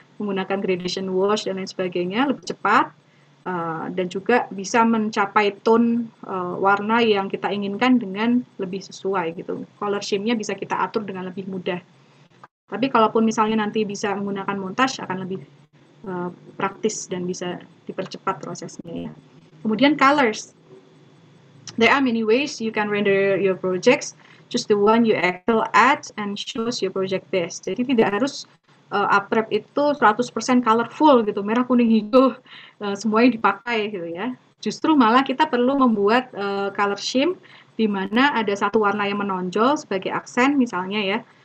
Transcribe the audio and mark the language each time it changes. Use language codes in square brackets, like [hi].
[id] menggunakan gradation wash dan lain sebagainya lebih cepat, dan juga bisa mencapai tone warna yang kita inginkan dengan lebih sesuai gitu. Color scheme-nya bisa kita atur dengan lebih mudah. Tapi kalaupun misalnya nanti bisa menggunakan montage akan lebih praktis dan bisa dipercepat prosesnya ya. Kemudian colors. [en] There are many ways you can render your projects. Just the one you excel at and shows your project best. [id] Jadi tidak harus UpRep itu 100% colorful gitu, merah, kuning, hijau, semuanya dipakai gitu ya. Justru malah kita perlu membuat color scheme di mana ada satu warna yang menonjol sebagai aksen misalnya ya.